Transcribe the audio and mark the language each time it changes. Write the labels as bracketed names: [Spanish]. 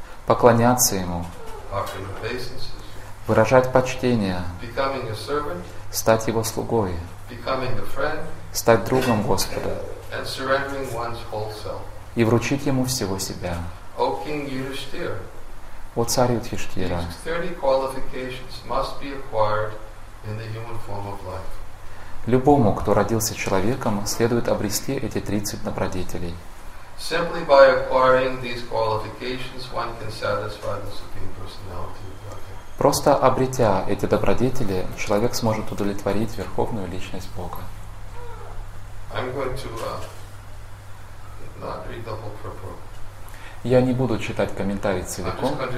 [Russian] Поклоняться Ему. [English] Offering obeisances. [Russian] Выражать почтение. [English] Becoming a servant. [Russian] Стать Его слугой. [English] Becoming a friend. [Russian] Стать другом Господа. [English] And surrendering one's whole self. [Russian] И вручить Ему всего себя. [English] O King Yudhishthira. [Russian] О царь Юдхиштхира, [English] 30 qualifications must be acquired in the human form of life. [Russian] Любому, кто родился человеком, следует обрести эти 30 добродетелей. [English] Simply by acquiring these qualifications, one can satisfy the Supreme Personality of Godhead. [Russian] Просто обретя эти добродетели, человек сможет удовлетворить Верховную Личность Бога. [English] I'm going to not read the whole purport. [Russian] Я не буду читать комментарий целиком.